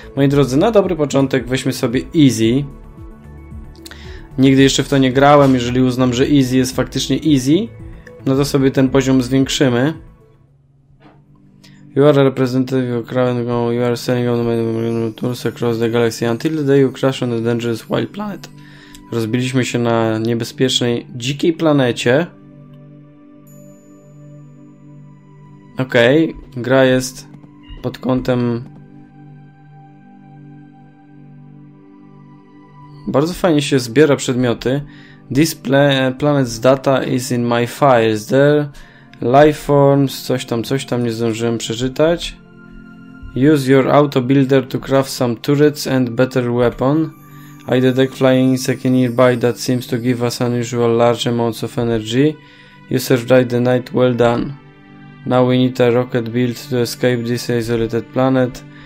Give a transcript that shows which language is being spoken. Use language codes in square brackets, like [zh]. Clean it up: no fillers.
[pl] Moi drodzy, na dobry początek weźmy sobie easy. Nigdy jeszcze w to nie grałem. Jeżeli uznam, że easy jest faktycznie easy, no to sobie ten poziom zwiększymy. [en] You are a representative of Kraven, you are sending on the tours across the galaxy until the day you crash on a dangerous wild planet. [pl] Rozbiliśmy się na niebezpiecznej, dzikiej planecie. Okej, okay, gra jest pod kątem... Bardzo fajnie się zbiera przedmioty. [en] This planet's data is in my files, there... Life forms, [pl] coś tam nie zdążyłem przeczytać. [en] Use your auto builder to craft some turrets and better weapon. I detect flying insects nearby that seems to give us unusual large amounts of energy. You survived the night, well done. Now we need a rocket build to escape this isolated planet.